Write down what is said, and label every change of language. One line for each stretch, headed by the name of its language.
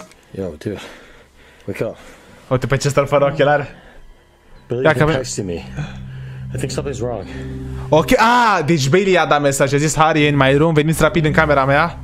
English: Yo, dude. Wake up.
Romanian: Uite pe ce stă fără ochelari.
English: Billy, you've been texting me. I think something's wrong.
Romanian: Ok, deci Bailey a dat mesaj. A zis, Harry,
English: in my room,
Romanian: veniți rapid în camera mea.